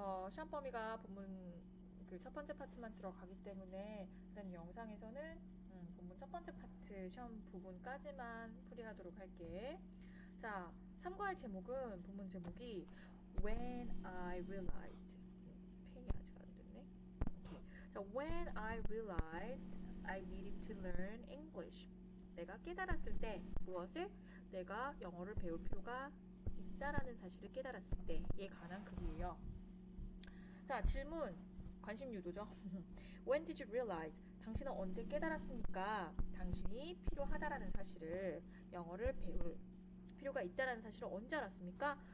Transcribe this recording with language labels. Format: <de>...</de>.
<ko>시험 범위가 본문 그첫 번째 파트만 들어가기 때문에 일단 이 영상에서는 본문 첫 번째 파트 시험 부분까지만 풀이하도록 할게. 자, 3과의 제목은 본문 제목이 When I Realized. 펜이 아직 안 됐네. 오케이.</ko> <en>자, When I Realized I needed to learn English.</en> <ko>내가 깨달았을 때 무엇을? 내가 영어를 배울 필요가 있다라는 사실을 깨달았을 때에 관한 글이에요. 자, 질문. 관심 유도죠.</ko> <en>When did you realize?</en> <ko>당신은 언제 깨달았습니까? 당신이 필요하다라는 사실을, 영어를 배울 필요가 있다라는 사실을 언제 알았습니까?</ko>